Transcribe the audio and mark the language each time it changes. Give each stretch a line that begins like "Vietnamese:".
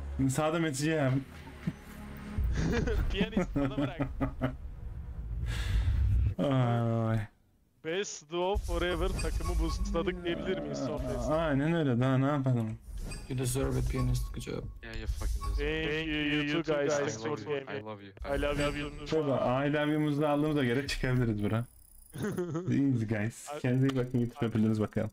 Turkish: Sağda Mesih'e hem. Piyanist, bana bırak. Best duo forever takımı boostladık diyebilir miyiz sohbet? Aynen öyle, daha ne yapalım?
English: You deserve it, pianist. Good job. Yeah, you fucking deserve it. Thank you, you two guys for gaming. I love you. I love you.
Turkish: Tabii, I love you'muzu geri çıkabiliriz bura.
English: Thanks guys.
Turkish: Kendinize iyi bakın, YouTube'a hepiniz bakalım.